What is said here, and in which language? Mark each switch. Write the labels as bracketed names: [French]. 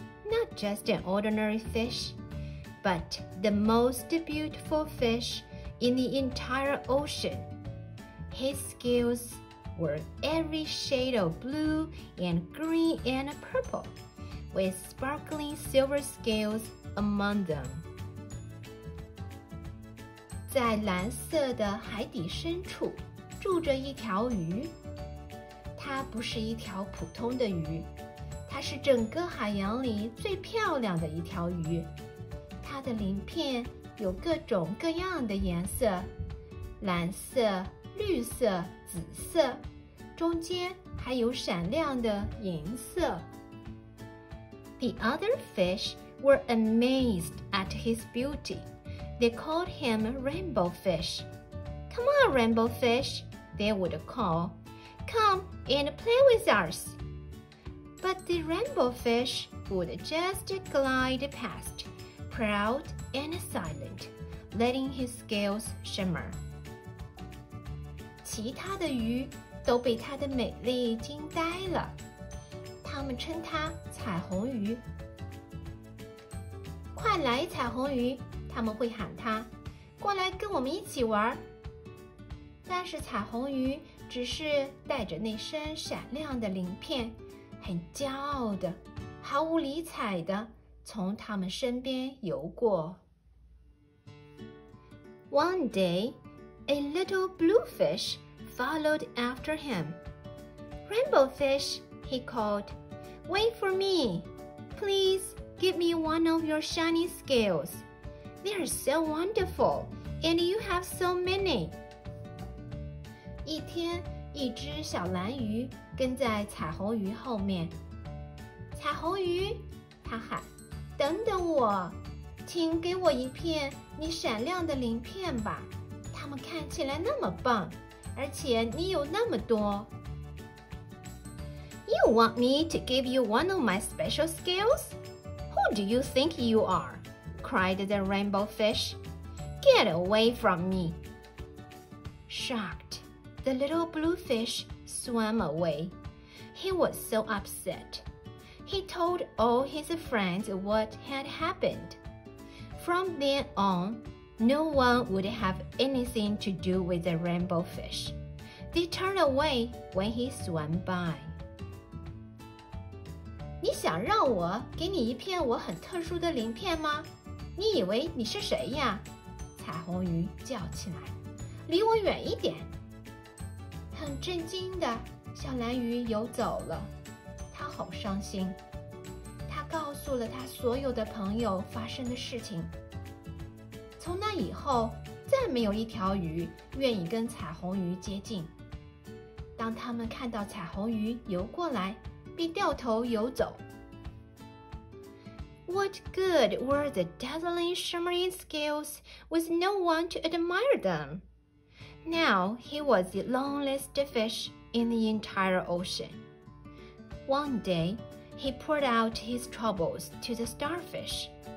[English] Not just an ordinary fish, but the most beautiful fish in the entire ocean. His scales were every shade of blue and green and purple. With sparkling silver scales among them. [Chinese] 在蓝色的海底深处住着一条鱼。它不是一条普通的鱼，它是整个海洋里最漂亮的一条鱼。它的鳞片有各种各样的颜色，蓝色、绿色、紫色，中间还有闪亮的银色。 [English] The other fish were amazed at his beauty. They called him Rainbow Fish. Come on, Rainbow Fish, they would call. Come and play with us. But the Rainbow Fish would just glide past, proud and silent, letting his scales shimmer. [Chinese] 其他的鱼都被它的美丽惊呆了。他们称它彩虹鱼。快来，彩虹鱼！他们会喊它，过来跟我们一起玩。但是彩虹鱼只是带着那身闪亮的鳞片，很骄傲的，毫无理睬的从他们身边游过。 [English] One day, a little blue fish followed after him. Rainbow fish, he called. Wait for me. Please give me one of your shiny scales. They are so wonderful, and you have so many. [Chinese] 一天，一只小蓝鱼跟在彩虹鱼后面。彩虹鱼，它喊，等等我，请给我一片你闪亮的鳞片吧。它们看起来那么棒，而且你有那么多。 [English] You want me to give you one of my special scales? Who do you think you are? Cried the rainbow fish. Get away from me. Shocked, the little blue fish swam away. He was so upset. He told all his friends what had happened. From then on, no one would have anything to do with the rainbow fish. They turned away when he swam by. [Chinese] 你想让我给你一片我很特殊的鳞片吗？你以为你是谁呀？彩虹鱼叫起来，离我远一点。很震惊的，小蓝鱼游走了，它好伤心。它告诉了它所有的朋友发生的事情。从那以后，再没有一条鱼愿意跟彩虹鱼接近。当他们看到彩虹鱼游过来，便掉头游走。 [English] What good were the dazzling shimmering scales with no one to admire them? Now he was the loneliest fish in the entire ocean. One day, he poured out his troubles to the starfish.